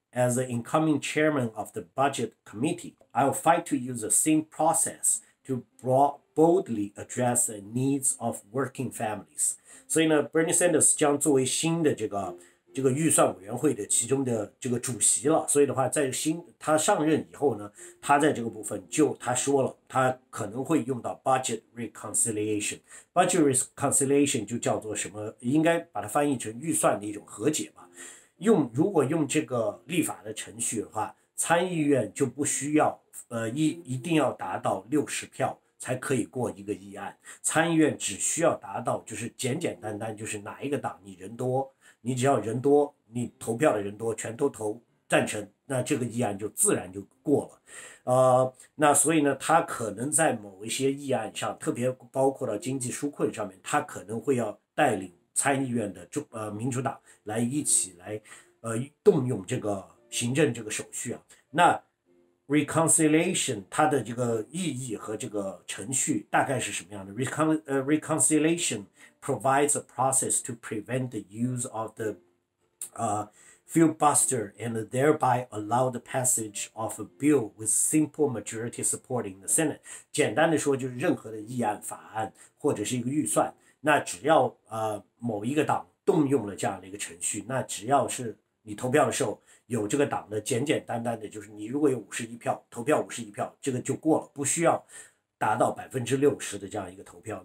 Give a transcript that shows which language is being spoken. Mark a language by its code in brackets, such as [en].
[en] As the incoming chairman of the budget committee, I'll fight to use the same process to boldly address the needs of working families. [zh] 所以呢 ，Bernie Sanders 将作为新的这个预算委员会的其中的这个主席了。所以的话，在新他上任以后呢，他在这个部分就他说了，他可能会用到 budget reconciliation. Budget reconciliation 就叫做什么？应该把它翻译成预算的一种和解吧。如果用这个立法的程序的话，参议院就不需要一定要达到60票。才可以过一个议案，参议院只需要达到就是简简单单，就是哪一个党你人多，你只要人多，你投票的人多，全都投赞成，那这个议案就自然就过了。那所以呢，他可能在某一些议案上，特别包括到经济纾困上面，他可能会要带领参议院的民主党来一起来动用这个行政这个手续啊。那Reconciliation 它的这个意义和这个程序大概是什么样的 [en] Reconciliation provides a process to prevent the use of the filibuster and thereby allow the passage of a bill with simple majority support in the Senate. [zh] 简单的说就是任何的议案法案或者是一个预算，那只要某一个党动用了这样的一个程序，那只要是你投票的时候有这个党的简简单单的，就是你如果有51票投票51票，这个就过了，不需要达到60%的这样一个投票。